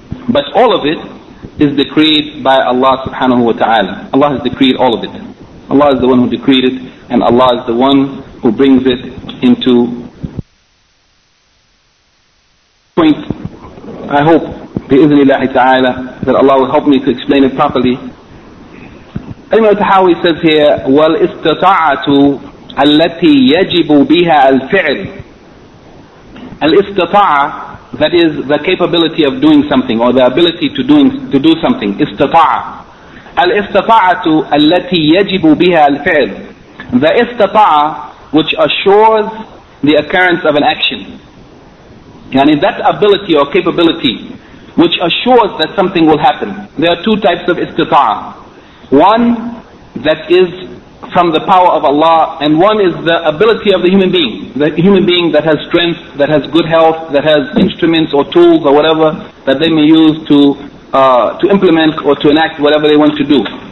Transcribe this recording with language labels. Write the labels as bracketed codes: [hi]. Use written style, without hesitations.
[en] But all of it is decreed by Allah subhanahu wa ta'ala. Allah has decreed all of it. Allah is the one who decreed it, and Allah is the one who brings it into point. I hope, bi-iznillahi ta'ala, that Allah will help me to explain it properly. Ibn al-Tahawi says here, [ar] وَالْإِسْتَطَاعَةُ التي يجب بها الفعل. [en] الاستطاعة, that is the capability of doing something or the ability to do something. [ar] استطاعة. الاستطاعة التي يجب بها الفعل. [en] The استطاعة which assures the occurrence of an action. يعني that ability or capability which assures that something will happen. There are two types of استطاعة. One that is from the power of Allah, and one is the ability of the human being that has strength, that has good health, that has instruments or tools or whatever that they may use to implement or to enact whatever they want to do.